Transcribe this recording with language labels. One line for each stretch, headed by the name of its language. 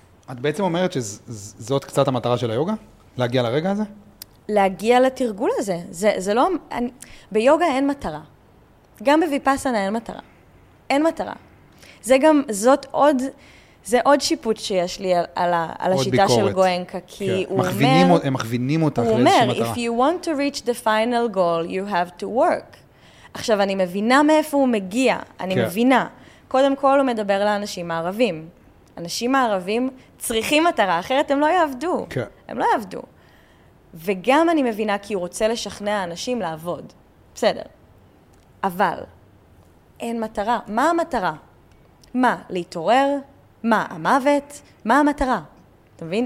Hebrew: את בעצם אומרת שזאת קצת המטרה של היוגה? להגיע לרגע הזה? להגיע לתרגול הזה. זה לא, אני, ביוגה אין מטרה. גם בויפאסנה אין מטרה. אין מטרה. זה גם, זאת עוד, זה עוד שיפוט שיש לי על, על, על השיטה ביקורת. של גואנקה, כי כן. הוא מכווינים, אומר... הם מכווינים אותך לאיזושהי מטרה.
English: הוא אומר, if you want to reach the final goal, you have to work.
Hebrew: עכשיו, אני מבינה מאיפה הוא מגיע. אני כן. מבינה. קודם כל, הוא מדבר לאנשים הערבים. אנשים הערבים צריכים מטרה, אחרת הם לא יעבדו. כן. הם לא יעבדו. וגם אני מבינה כי הוא רוצה לשכנע אנשים לעבוד. בסדר. אבל, אין מטרה. מה המטרה? מה? להתעורר? מה? המוות? מה המטרה? אתה מבין?